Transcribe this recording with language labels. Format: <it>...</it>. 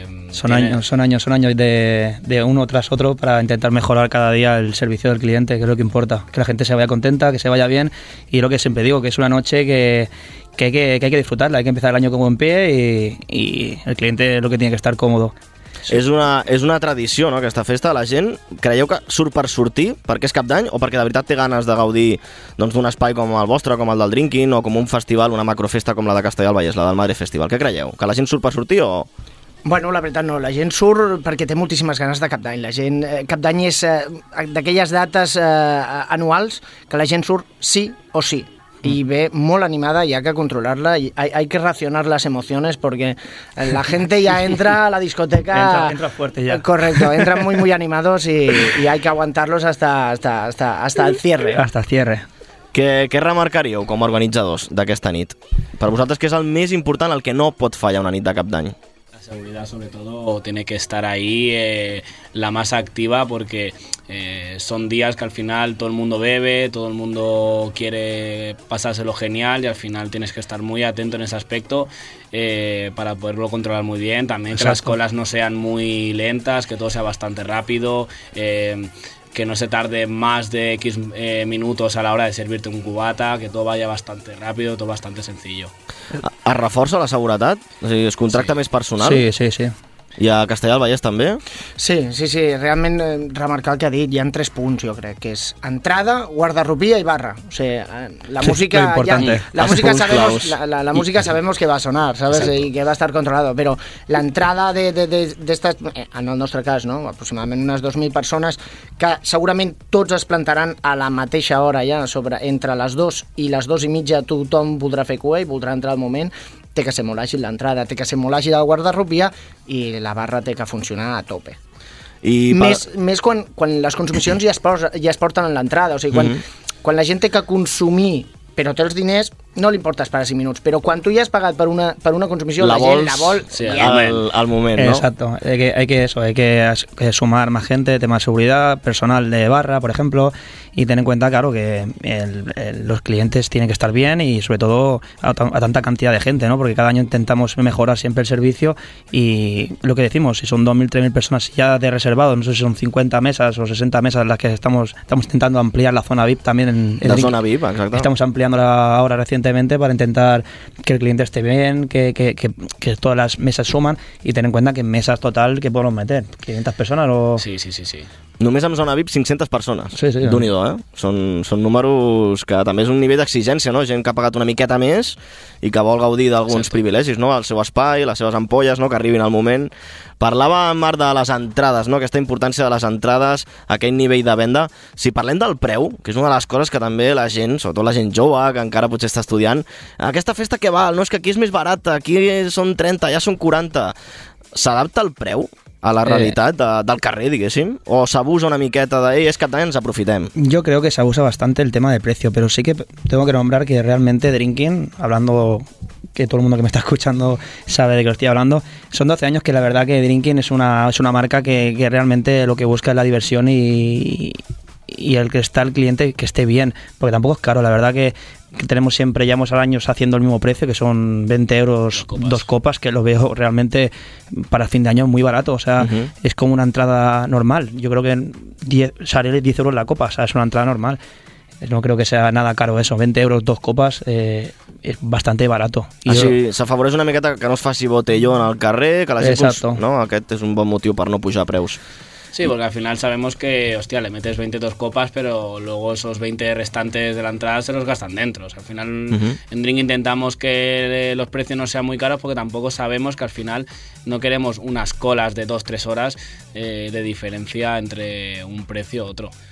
<es>son años de uno tras otro para intentar mejorar cada día el servicio del cliente, que es lo que importa, que la gente se vaya contenta, que se vaya bien, y lo que siempre digo, que es una noche que hay que disfrutarla, hay que empezar el año con buen pie y el cliente es lo que tiene que estar cómodo. Sí.</es> <ca>És una tradició, no?, aquesta festa. La gent, creieu que surt per sortir, perquè és Cap d'Any, o perquè de veritat té ganes de gaudir doncs, d'un espai com el vostre, com el del Drinking, o com un festival, una macrofesta com la de Castellà del Vallès, la del Madre Festival? Què creieu? Que la gent surt per sortir o...? Bueno, la veritat no, la gent surt perquè té moltíssimes ganes de Cap d'Any. La gent, Cap d'Any és d'aquelles dates anuals que la gent surt sí o sí.</ca> <es>Y ve muy animada y hay que controlarla y hay que racionar las emociones porque la gente ya entra a la discoteca. Entra fuerte ya. Correcto, entran muy muy animados y hay que aguantarlos hasta el cierre. Hasta el cierre.</es> <ca>Què remarcaríeu com a organitzadors d'aquesta nit? Per vosaltres, què és el més important, el que no pot fallar una nit de Cap d'Any?</ca> <es>La seguridad, sobre todo, tiene que estar ahí la más activa porque son días que al final todo el mundo bebe, todo el mundo quiere pasárselo genial y al final tienes que estar muy atento en ese aspecto para poderlo controlar muy bien. También Exacto. Que las colas no sean muy lentas, que todo sea bastante rápido, que no se tarde más de X minutos a la hora de servirte un cubata, que todo vaya bastante rápido, todo bastante sencillo.</es> <ca>¿Es reforça la seguretat? O sigui, es contracta sí. Més personal? Sí, sí, sí. I a Castellà del Vallès també? Sí, sí, sí. Realment, remarcar el que ha dit, hi ha tres punts, jo crec, que és entrada, guardarrupia i barra. O sigui, la música... Sí, ja,</ca> <es>la música sabemos, la música sabemos que va a sonar, ¿sabes? Exacto. I que va a estar controlado.</es> <ca>Però l'entrada d'estes, en el nostre cas, no? Aproximadament unes 2.000 persones, que segurament tots es plantaran a la mateixa hora ja, sobre entre les 2 i les 2 i mitja, tothom voldrà fer cua i voldrà entrar al moment... Té que ser molt àgil l'entrada, té que ser molt àgil el guardarrupia i la barra té que funcionar a tope. I més quan les consumicions ja es porten a l'entrada. O sigui, quan la gent té que consumir però té els diners, no li importa esperar 5 minuts. Però quan tu ja has pagat per una consumició, la gent la vol... Sí, al moment, no? Exacto.</ca> <es>Hay que sumar más gente, tema de seguridad, personal de barra, por ejemplo, y tener en cuenta, claro, que los clientes tienen que estar bien y sobre todo a tanta cantidad de gente, ¿no? Porque cada año intentamos mejorar siempre el servicio y lo que decimos, si son 2.000, 3.000 personas ya de reservado, no sé si son 50 mesas o 60 mesas las que estamos intentando ampliar la zona VIP también. La zona VIP, exacto. Estamos ampliándola ahora recientemente para intentar que el cliente esté bien, que todas las mesas suman y tener en cuenta que mesas total que podemos meter, 500 personas o... Sí.</es> <ca>Només amb zona VIP 500 persones. Sí, sí. D'unidó, eh? Són números que també és un nivell d'exigència, no? Gent que ha pagat una miqueta més i que vol gaudir d'alguns privilegis, no? El seu espai, les seves ampolles, no? Que arribin al moment. Parlava, Marc, de les entrades, no? Aquesta importància de les entrades, aquell nivell de venda. Si parlem del preu, que és una de les coses que també la gent, sobretot la gent jove, que encara potser està estudiant, aquesta festa què val? No, és que aquí és més barata, aquí són 30, ja són 40. S'adapta el preu a la realitat del carrer, diguéssim? O s'abusa una miqueta d'ell, és que també ens aprofitem.</ca> <es>Yo creo que se abusa bastante el tema de precio, pero sí que tengo que nombrar que realmente Drinking, hablando que todo el mundo que me está escuchando sabe de qué estoy hablando, son 12 años que la verdad que Drinking es una marca que realmente lo que busca es la diversión y el que está el cliente que esté bien, porque tampoco es caro, la verdad que tenemos siempre, llevamos años haciendo el mismo precio, que son 20 euros dos copas, que lo veo realmente para fin de año muy barato, o sea, uh-huh. Es como una entrada normal, yo creo que sale 10 euros la copa, o sea, es una entrada normal, no creo que sea nada caro eso, 20 euros dos copas, es bastante barato. Y así, yo...</es> <ca>s'afavoreix una miqueta que no es faci botellón al carrer, que la gent, no, aquest és un bon motiu per no pujar preus.</ca> <es>Sí, porque al final sabemos que, hostia, le metes 22 copas, pero luego esos 20 restantes de la entrada se los gastan dentro. O sea, al final uh-huh. En Drink intentamos que los precios no sean muy caros porque tampoco sabemos que al final no queremos unas colas de 2-3 horas de diferencia entre un precio u otro.</es>